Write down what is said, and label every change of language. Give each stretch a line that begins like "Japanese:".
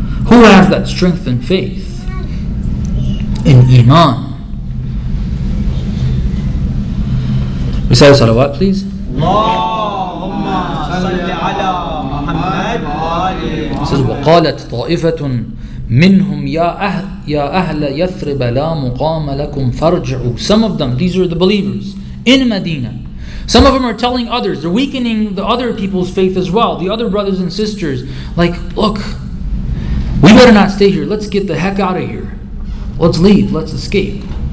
English: Who has that strength in faith? In Iman. Recite the salawat, please.
Arabic: Allahumma salli ala Muhammad wa ali Muhammad.
English: It says,
Arabic: وَقَالَتْ طَائِفَةٌ منهم يا أهل يثرب لا مقام لكم فارجعوا.
English: Some of them, these are the believers in Medina. Some of them are telling others, they're weakening the other people's faith as well, the other brothers and sisters, like, look, we better not stay here, let's get the heck out of here, let's leave, let's escape.